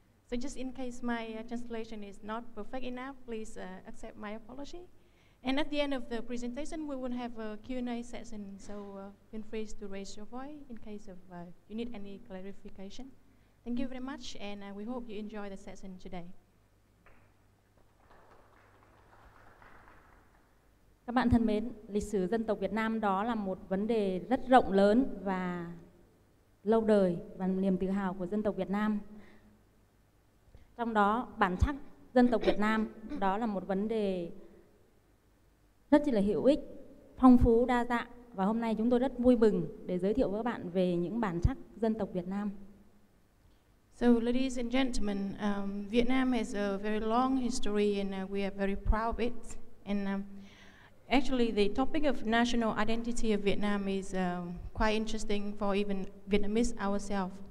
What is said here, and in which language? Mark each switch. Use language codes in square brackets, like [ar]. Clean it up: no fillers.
[en] So just in case my translation is not perfect enough, please accept my apology. And at the end of the presentation, we will have a Q&A session, so feel free to raise your voice in case of you need any clarification. Thank you very much, and we hope you enjoy the session today. [vi] Các bạn thân mến, lịch sử dân tộc Việt Nam đó là một vấn đề rất rộng lớn và lâu đời và niềm tự hào của dân tộc Việt Nam. Trong đó, bản sắc dân tộc Việt Nam đó là một vấn đề rất là hữu ích, phong phú, đa dạng. Và hôm nay chúng tôi rất vui mừng để giới thiệu với các bạn về những bản sắc dân tộc Việt Nam. [en] So, ladies and gentlemen, Vietnam has a very long history, and we are very proud of it. And actually, the topic of national identity of Vietnam is quite interesting for even Vietnamese ourselves.